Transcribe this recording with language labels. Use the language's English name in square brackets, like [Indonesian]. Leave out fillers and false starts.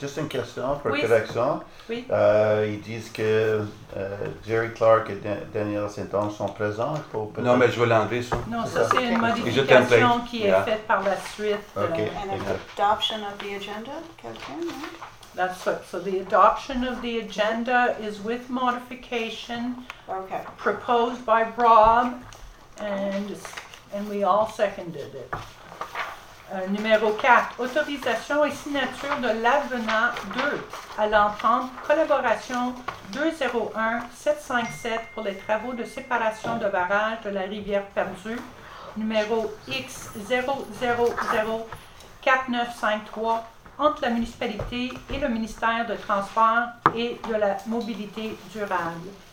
[French] Juste une question pour correction. Oui. Ils disent que Jerry Clark et Daniel Saint-Ange sont présents. Pour non, mais je vais l'enlever, ça. Non, ça, c'est une modification qui est faite par la suite. OK. [English] And adoption of the agenda, [French] quelqu'un, non? [English] That's what. So the adoption of the agenda is with modification proposed by Rob, and we all seconded it. [French] Numéro 4, autorisation et signature de l'avenant 2 à l'entente collaboration 201-757 pour les travaux de séparation de barrage de la rivière perdue, numéro X000-4953, entre la municipalité et le ministère de transport et de la mobilité durable.